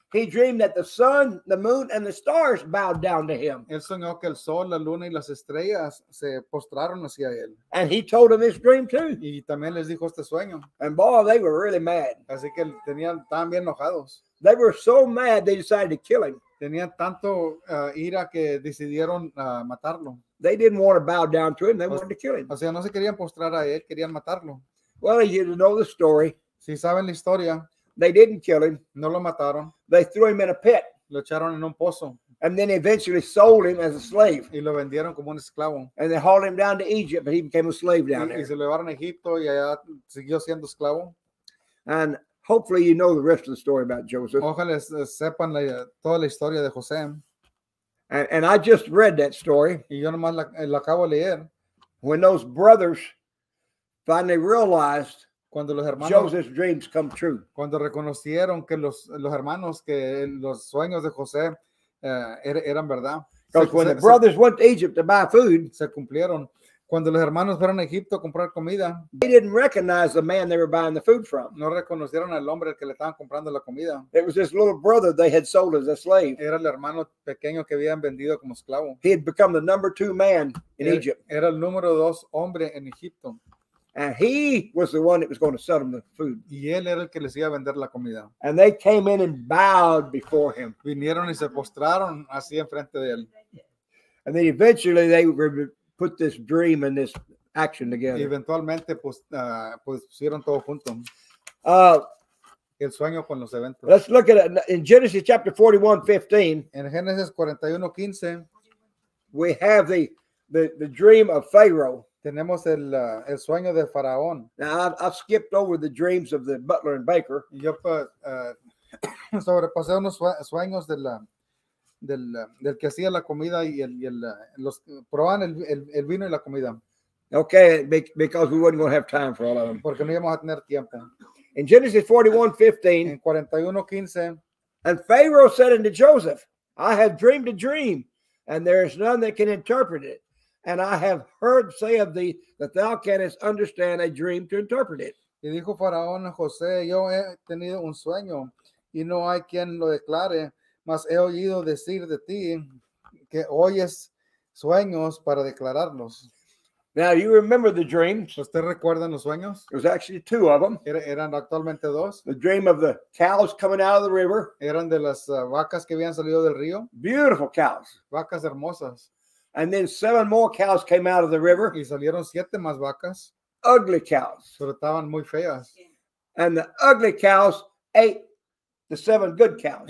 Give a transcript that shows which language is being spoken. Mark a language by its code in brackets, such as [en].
[en] he dreamed that the sun, the moon, and the stars bowed down to him. [es] Él soñó que el sol, la luna, y las estrellas se postraron hacia él. [en] And he told him this dream too. [es] Y también les dijo este sueño. [en] And boy, they were really mad. [es] Así que tenían tan bien enojados. [en] They were so mad they decided to kill him. [es] Tenían tanto ira que decidieron matarlo. [en] They didn't want to bow down to him. They wanted to kill him. [es] O sea, no se querían postrar a él, querían matarlo. [en] Well, you know the story. [es] Si saben la historia. [en] They didn't kill him. [es] No lo mataron. [en] They threw him in a pit. [es] Lo echaron en un pozo. [en] And then eventually sold him as a slave. [es] Y lo vendieron como un esclavo. [en] And they hauled him down to Egypt, but he became a slave down there. [es] Y se lo llevaron a Egipto y allá siguió siendo esclavo. [en] And hopefully you know the rest of the story about Joseph. [es] Ojalá sepan toda la historia de José. [en] And I just read that story. [es] Y yo nomás la acabo de leer. [en] When those brothers finally realized [es] cuando los hermanos, [en] Joseph's dreams come true. [es] Cuando reconocieron que los hermanos, que los sueños de José eran verdad. [en] Because when the brothers went to Egypt to buy food, [es] se cumplieron. cuando los hermanos fueron a Egipto a comprar comida, [en] they didn't recognize the man they were buying the food from. [es] No reconocieron al hombre al que le estaban comprando la comida. [en] It was this little brother they had sold as a slave. [es] Era el hermano pequeño que habían vendido como esclavo. [en] He had become the number two man in Egypt. [es] Era el número dos hombre en Egipto. [en] And he was the one that was going to sell them the food. [es] Y él era el que les iba a vender la comida. [en] And they came in and bowed before him. [es] Vinieron y se postraron así en frente de él. [en] And then eventually they put this dream and this action together. [es] Y eventualmente pusieron todo junto. El sueño con los eventos. [en] Let's look at it in Genesis chapter 41:15. [es] En Génesis 41:15, [en] we have the dream of Pharaoh. [es] Tenemos el sueño de Faraón. [en] Now I've skipped over the dreams of the butler and baker. [es] Yo sobrepasé unos sueños del que hacía la comida y los probaban el vino y la comida. [en] Okay, because we weren't going to have time for all of them. [es] Porque no íbamos a tener tiempo. [en] In Genesis 41:15. [es] En 41:15. [en] And Pharaoh said unto Joseph, I have dreamed a dream, and there is none that can interpret it. And I have heard say of thee that thou canst understand a dream to interpret it. [es] Y dijo Faraón a José, yo he tenido un sueño y no hay quien lo declare, mas he oído decir de ti que oyes sueños para declararlos. [en] Now you remember the dream. [es] ¿Usted recuerda los sueños? [en] It was actually two of them. [es] Eran actualmente dos. [en] The dream of the cows coming out of the river. [es] Eran de las vacas que habían salido del río. [en] Beautiful cows. [es] Vacas hermosas. [en] And then seven more cows came out of the river. [es] Y salieron siete más vacas. [en] Ugly cows. [es] Pero estaban muy feas. [en] And the ugly cows ate the seven good cows.